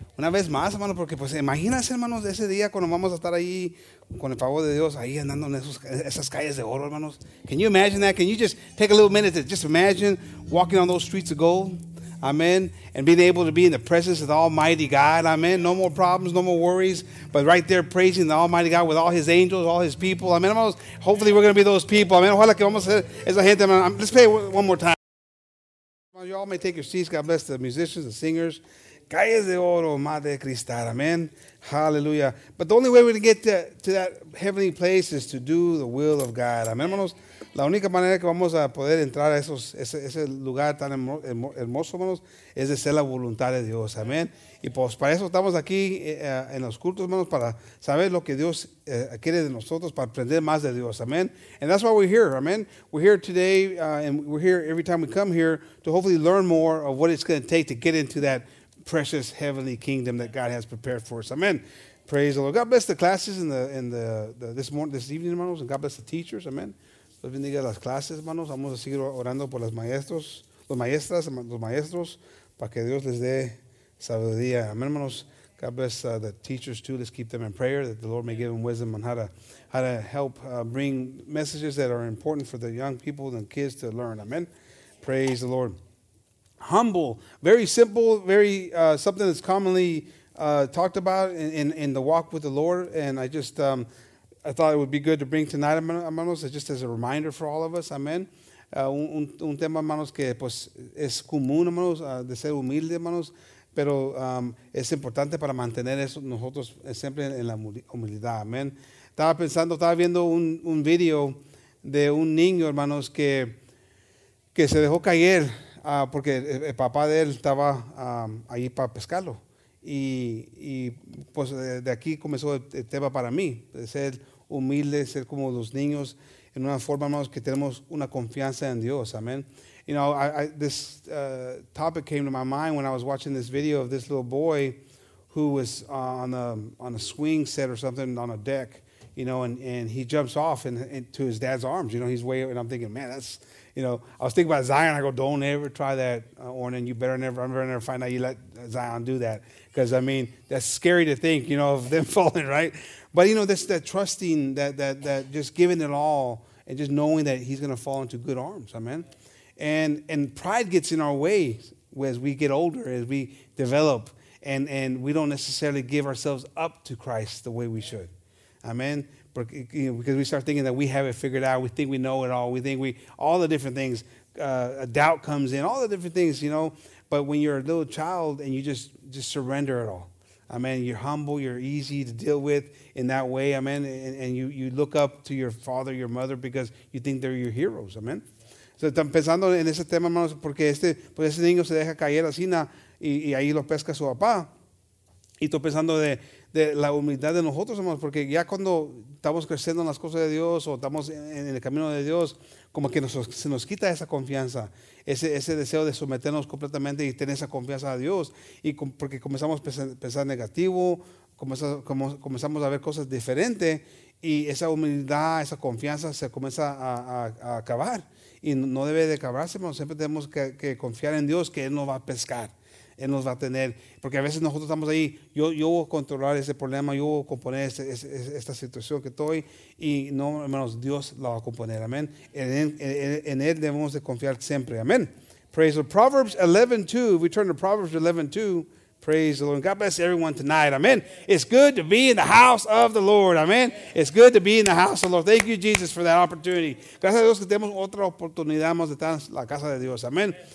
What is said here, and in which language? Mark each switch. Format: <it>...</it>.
<es>Una vez más, hermano, porque pues imagínense, hermanos, ese día cuando vamos a estar ahí con el favor de Dios, ahí andando en esas calles de oro, hermanos.</es> <en>Can you imagine that? Can you just take a little minute to just imagine walking on those streets of gold? Amen. And being able to be in the presence of the Almighty God. Amen. No more problems, no more worries. But right there praising the Almighty God with all his angels, all his people.</en> <es>Amen, hermanos.</es> <en>Hopefully we're going to be those people.</en> <es>Amen. Ojalá que vamos a ser esa gente.</es> <en>Let's play one more time. You all may take your seats. God bless the musicians, the singers.</en> <es>Calles de oro, madre cristal,</es> <en>amen. Hallelujah. But the only way we're going to get to that heavenly place is to do the will of God.</en> <es>Amen, hermanos. La única manera que vamos a poder entrar a ese lugar tan hermoso, hermanos, es de ser la voluntad de Dios. Amen. Y pues para eso estamos aquí en los cultos, hermanos, para saber lo que Dios quiere de nosotros, para aprender más de Dios.</es> <en>Amen. And that's why we're here. Amen. We're here today, and we're here every time we come here to hopefully learn more of what it's going to take to get into that precious heavenly kingdom that God has prepared for us. Amen. Praise the Lord. God bless the classes in the this morning, this evening, hermanos, and God bless the teachers.</en> <es>Amen. Dios bendiga las clases, hermanos. Vamos a seguir orando por las maestros, los maestras, los maestros, para que Dios les dé sabiduría.</es> <en>Amen, hermanos. God bless the teachers too. Let's keep them in prayer that the Lord may give them wisdom on how to help bring messages that are important for the young people and kids to learn. Amen. Praise the Lord. Humble, very simple, very something that's commonly talked about in the walk with the Lord. And I just I thought it would be good to bring tonight, hermanos, just as a reminder for all of us. Amen.</en> <es>Un tema, hermanos, que pues es común, hermanos, de ser humilde, hermanos, pero es importante para mantener eso nosotros siempre en la humildad. Amen. Estaba pensando, estaba viendo un video de un niño, hermanos, que se dejó caer. Porque el papá de él estaba ahí para pescarlo. Y pues de aquí comenzó el tema para mí, de ser humilde, ser como los niños, en una forma, hermanos, que tenemos una confianza en Dios. Amen.</es> <en>You know, this topic came to my mind when I was watching this video of this little boy who was on a swing set or something on a deck, you know, and he jumps off into his dad's arms. You know, he's way, and I'm thinking, man, that's, you know, I was thinking about Zion. I go, don't ever try that, Ornan. You better never, I'm never find out you let Zion do that. Because, I mean, that's scary to think, you know, of them falling, right? But, you know, that's that trusting, that just giving it all and just knowing that he's going to fall into good arms. Amen. And pride gets in our way as we get older, as we develop. And we don't necessarily give ourselves up to Christ the way we should. Amen. Because we start thinking that we have it figured out. We think we know it all. We think we, all the different things, a doubt comes in, all the different things, you know. But when you're a little child and you just surrender it all, amen, you're humble, you're easy to deal with in that way, amen, and you look up to your father, your mother, because you think they're your heroes, amen.</en> <es>So, están pensando en ese tema, hermanos, porque ese niño se deja caer así, y ahí lo pesca su papá. Y estoy pensando de la humildad de nosotros, hermanos, porque ya cuando estamos creciendo en las cosas de Dios o estamos en el camino de Dios, como que se nos quita esa confianza, ese deseo de someternos completamente y tener esa confianza a Dios, y porque comenzamos a pensar negativo, comenzamos a ver cosas diferentes, y esa humildad, esa confianza se comienza a acabar, y no debe de acabarse, hermanos. Siempre tenemos que confiar en Dios, que Él nos va a pescar. Él nos va a tener, porque a veces nosotros estamos ahí, yo voy a controlar ese problema, yo voy a componer esta situación que estoy, y no, hermanos, Dios la va a componer, amén. En Él debemos de confiar siempre, amén.</es> <en>Praise the Proverbs 11:2, we turn to Proverbs 11:2, Praise the Lord. God bless everyone tonight. Amen. It's good to be in the house of the Lord. Amen. It's good to be in the house of the Lord. Thank you, Jesus, for that opportunity.</en> <es>Gracias a Dios que tenemos otra oportunidad más de estar en la casa de Dios. Amen.</es>